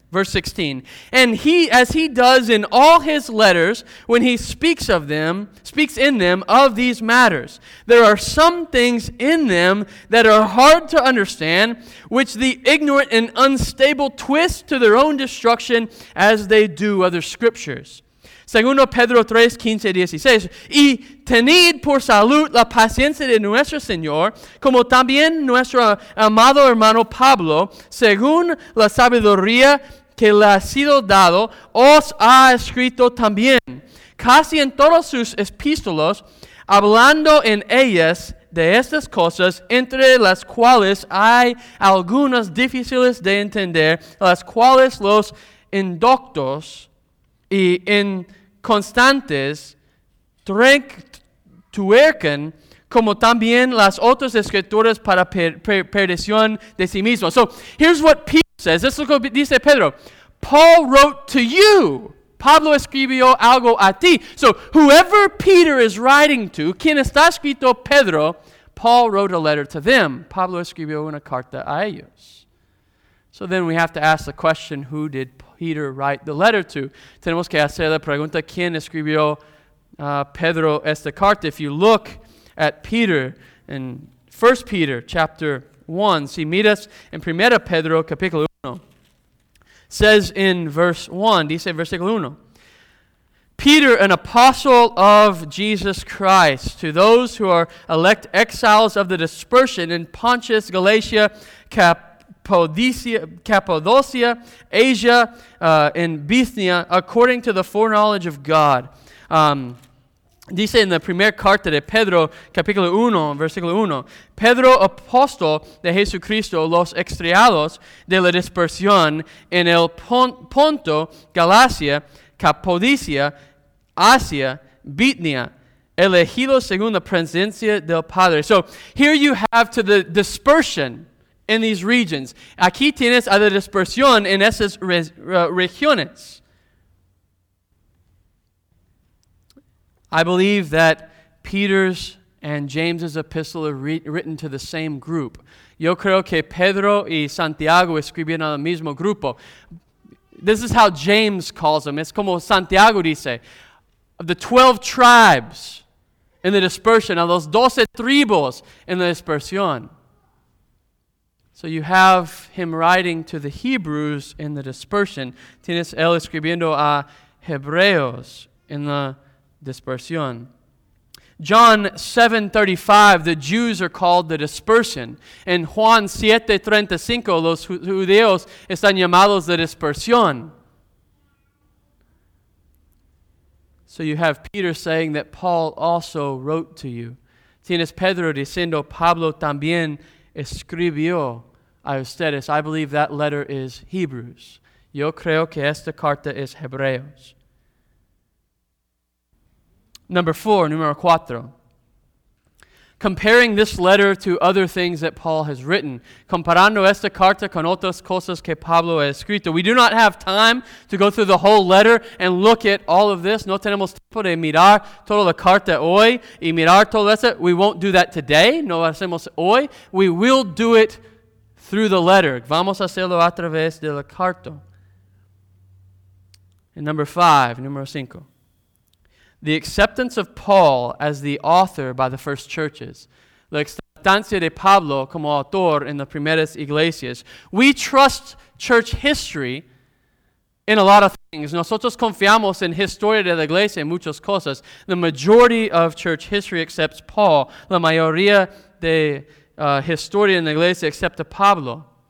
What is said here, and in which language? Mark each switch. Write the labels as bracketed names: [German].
[English] Verse 16, and he, as he does in all his letters, when he speaks of them, speaks in them of these matters, there are some things in them that are hard to understand, which the ignorant and unstable twist to their own destruction as they do other scriptures. [Spanish] Segundo Pedro 3, 15, 16, y tenid por salud la paciencia de nuestro Señor, como también nuestro amado hermano Pablo, según la sabiduría que le ha sido dado, os ha escrito también, casi en todos sus epístolos, hablando en ellas de estas cosas, entre las cuales hay algunas difíciles de entender, las cuales los indoctos y inconstantes tuercan, como también las otras escrituras para perdición de sí mismo. [English] So, here's what Peter says. This is what [Spanish] dice Pedro. [English] Paul wrote to you. [Spanish] Pablo escribió algo a ti. [English] So, whoever Peter is writing to, [Spanish] quien está escrito Pedro, [English] Paul wrote a letter to them. [Spanish] Pablo escribió una carta a ellos. [English] So then we have to ask the question, who did Peter write the letter to? [Spanish] Tenemos que hacer la pregunta, ¿quién escribió Pedro esta carta? [English] If you look at Peter in 1 Peter chapter 1, [Spanish] si miras en 1 Pedro capítulo 1, [English] says in verse 1, [Spanish] dice en versículo 1, [English] Peter, an apostle of Jesus Christ, to those who are elect exiles of the dispersion in Pontus, Galatia, Cappadocia, Asia, and Bithynia, according to the foreknowledge of God. [Spanish] Dice en la primera carta de Pedro, capítulo 1, versículo 1, Pedro, apóstol de Jesucristo, los extraviados de la dispersión en el Ponto, Galacia, Cappadocia, Asia, Bithynia, elegido según la presencia del Padre. [English] So here you have to the dispersion in these regions. [Spanish] Aquí tienes a la dispersión en esas regiones. [English] I believe that Peter's and James's epistle are written to the same group. [Spanish] Yo creo que Pedro y Santiago escribieron al mismo grupo. [English] This is how James calls them. [Spanish] Es como Santiago dice. [English] Of the 12 tribes in the dispersion, of [Spanish] los 12 tribus [English] in the dispersión. So you have him writing to the Hebrews in the dispersion. [Spanish] Tienes él escribiendo a Hebreos en la dispersión. [English] John 7:35, the Jews are called the dispersion. [Spanish] En Juan 7:35, los judíos están llamados la dispersión. [English] So you have Peter saying that Paul also wrote to you. [Spanish] Tienes Pedro diciendo Pablo también escribió. [English] I believe that letter is Hebrews. [Spanish] Yo creo que esta carta es Hebreos. Número cuatro. [English] Comparing this letter to other things that Paul has written. [Spanish] Comparando esta carta con otras cosas que Pablo ha escrito. [English] We do not have time to go through the whole letter and look at all of this. [Spanish] No tenemos tiempo de mirar toda la carta hoy y mirar todo eso. [English] We won't do that today. [Spanish] No hacemos hoy. [English] We will do it through the letter. [Spanish] Vamos a hacerlo a través de la carta. [English] And número cinco. The acceptance of Paul as the author by the first churches. [Spanish] La acceptancia de Pablo como autor en las primeras iglesias. [English] We trust church history in a lot of things. [Spanish] Nosotros confiamos en historia de la iglesia en muchas cosas. [English] The majority of church history accepts Paul. [Spanish] La mayoría de historia en la iglesia excepto Pablo.